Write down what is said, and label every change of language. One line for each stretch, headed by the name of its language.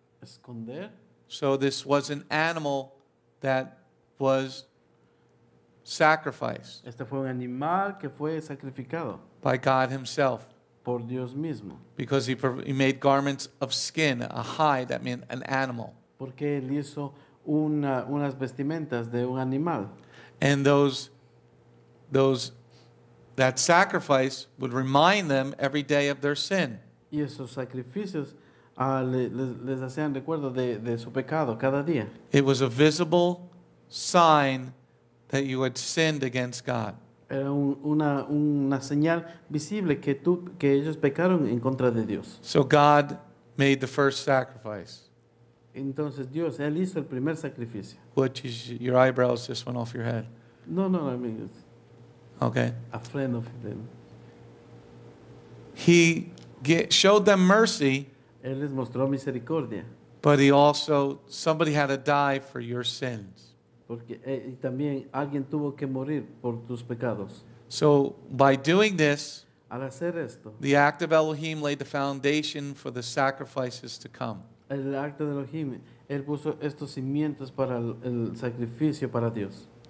Spanish: Esconder.
English: So this was an animal that was sacrificed.
Spanish: Este fue un animal que fue sacrificado.
English: By God himself.
Spanish: Por Dios mismo.
English: Because he made garments of skin, a hide, that means an animal.
Spanish: Porque él hizo unas vestimentas de un animal.
English: And that sacrifice would remind them every day of their sin.
Spanish: Y esos sacrificios les hacían recuerdo de su pecado cada día.
English: It was a visible sign that you had sinned against God.
Spanish: Era una señal visible que ellos pecaron en contra de Dios.
English: So God made the first sacrifice.
Spanish: Entonces Dios, él hizo el primer sacrificio.
English: Which is your eyebrows just went off your head. No, I mean. Okay. A friend of them. He showed them mercy.
Spanish: Él les mostró misericordia.
English: But he also, somebody had to die for your sins.
Spanish: Y también alguien tuvo que morir por tus pecados.
English: So by doing this,
Spanish: al hacer esto,
English: the act of Elohim laid the foundation for the sacrifices to come.
Spanish: El acto de Elohim, él puso estos cimientos para el sacrificio para Dios.